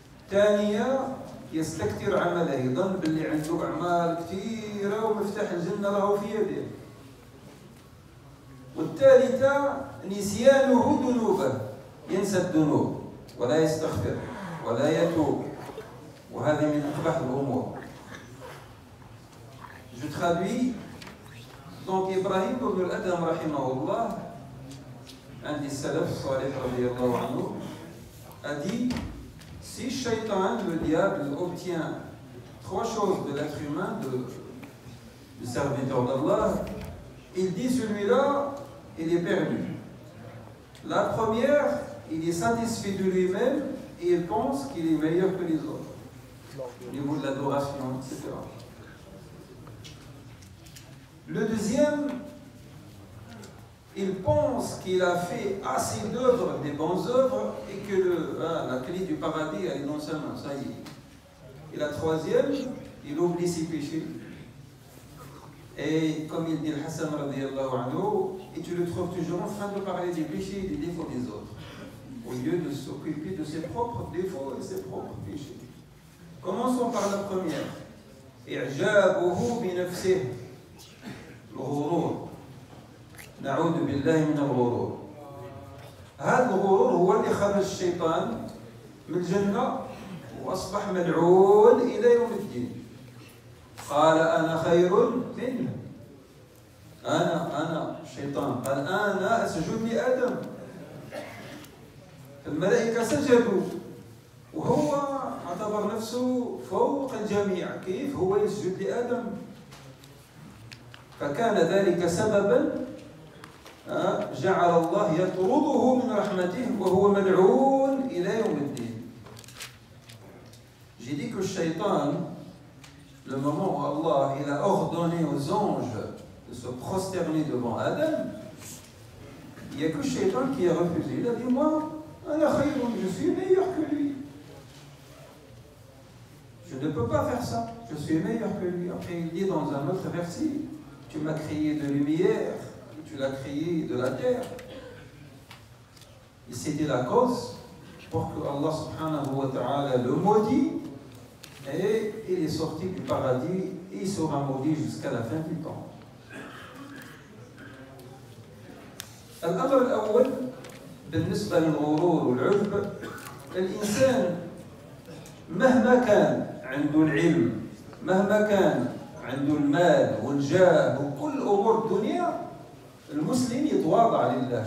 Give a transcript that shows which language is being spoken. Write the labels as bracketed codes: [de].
[ar] ثانية، يستكثر عمله، يظن باللي عنده أعمال كثيرة ومفتاح الجنة راه في يده. والثالثة، نسيانه ذنوبه، ينسى الذنوب ولا يستغفر ولا يتوب، وهذه من أقبح الأمور. [fr] Je traduis. Donc Ibrahim ibn al-Adham rahimahullah, un des salafs salih radiyallahu anhu, a dit: si Shaitan, le diable, obtient trois choses de l'être humain, du serviteur d'Allah, il dit celui-là, il est perdu. La première, il est satisfait de lui-même et il pense qu'il est meilleur que les autres, au niveau de l'adoration, etc. Le deuxième, il pense qu'il a fait assez d'œuvres, des bonnes œuvres, et que la clé du paradis est dans sa main, ça y est. Et la troisième, il oublie ses péchés. Et comme il dit le Hassan radiallahu anhu, et tu le trouves toujours en train de parler des péchés et des défauts des autres, au lieu de s'occuper de ses propres défauts et ses propres péchés. Commençons par la première. [ar] I'jabuhu binafsih. الغرور، نعوذ بالله من الغرور. هذا الغرور هو اللي خرج الشيطان من الجنة وأصبح ملعون إلى يوم الدين. قال أنا خير منه، أنا الشيطان قال أنا أسجد لآدم. الملائكة سجدوا وهو اعتبر نفسه فوق الجميع، كيف هو يسجد لآدم؟ فكان ذلك سببا جعل الله يطرده من رحمته وهو ملعون الى يوم الدين. [fr] J'ai dit que الشيطان le moment où الله il a ordonné aux anges de se prosterner devant Adam, il y a que الشيطان qui a refusé. Il a dit moi [ar] انا خير، [fr] je suis meilleur que lui. Je ne peux pas faire ça. Je suis meilleur que lui. Après il dit dans un autre verset: tu m'as créé de lumière, tu l'as créé de la terre. Et c'était la cause pour que Allah subhanahu wa ta'ala le maudit, et il est sorti du paradis et il sera maudit jusqu'à la fin du temps. [ar] Al-amr al-awwal, بالنسبه للغرور والعجب، الانسان مهما كان عنده العلم، مهما كان عنده المال والجاه وكل أمور الدنيا، المسلم يتواضع لله.